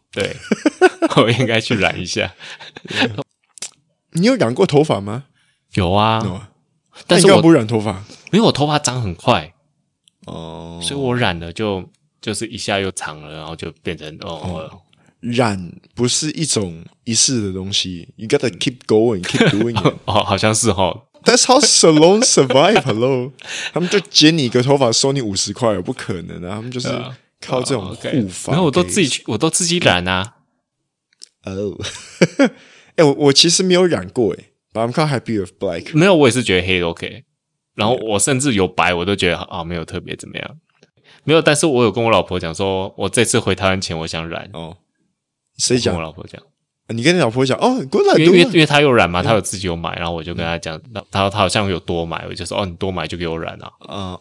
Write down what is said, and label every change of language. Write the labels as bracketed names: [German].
[Chinese] 对，我应该去染一下。你有染过头发吗？有啊， [English] no、 [Chinese] 但是我不染头发，因为我头发长很快。哦、所以我染了就是一下又长了，然后就变成哦、染不是一种一世的东西 [English] ，You gotta keep going, keep doing it [Chinese] 哦，好像是哈、哦。 [English] That's how salon survive, hello 。 [Chinese] 他们就剪你一个头发，收你50块，不可能啊！他们就是靠这种护发、 okay。 然后我都自己染啊。哦，哎，我其实没有染过哎 ， [English] But I'm quite happy with black。 [Chinese] 没有，我也是觉得黑 OK。然后我甚至有白我都觉得啊、没有特别怎么样。没有但是我有跟我老婆讲说我这次回台湾前我想染。哦、谁讲我跟我老婆讲。啊、你跟你老婆讲哦滚来滚来。因为他有染嘛他有自己有买然后我就跟他讲、他好像有多买我就说哦你多买就给我染啊。